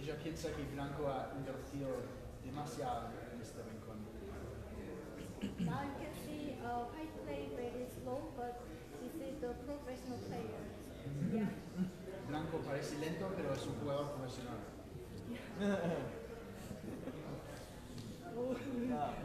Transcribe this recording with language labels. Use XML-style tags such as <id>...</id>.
<es>Ella piensa que Blanco ha invertido demasiado en este rincón.</es> <en>Now you can see White play very slow, but this is the professional player. Yeah.</en> <es>Blanco parece lento, pero es un jugador profesional.</es>